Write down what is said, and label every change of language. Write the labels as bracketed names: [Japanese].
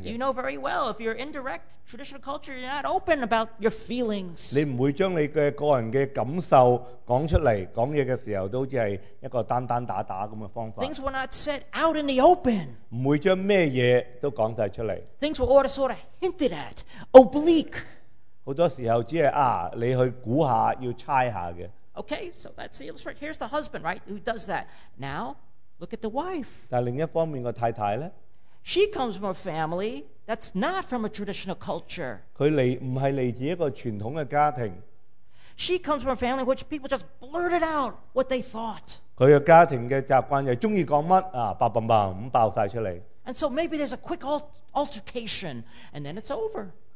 [English] You know very well, if you're indirect traditional culture, you're not open about your feelings. [Cantonese] 你唔會將你嘅個人嘅感受講出嚟，講嘢嘅時候都只係一個單單打打咁嘅方法。 [English] Things were not said out in the open. [Cantonese] 唔會將咩嘢都講曬出嚟。 [English] Things were all sort of hinted at, oblique. [Cantonese] 好多時候只係你去估下，要猜下嘅。 [English] Okay, so that's the illustration. Here's the husband, right, who does that. Now, look at the wife. [Cantonese] 但另一方面，个太太咧， [English] she comes from a family that's not from a traditional culture. [Cantonese] 佢唔係嚟自一個傳統嘅家庭。 [English] She comes from a family which people just blurted out what they thought. [Cantonese] 佢嘅家庭嘅習慣就中意講乜啊，爆爆爆咁爆曬出嚟。 [English] And so maybe there's a quick altercation, and then it's over.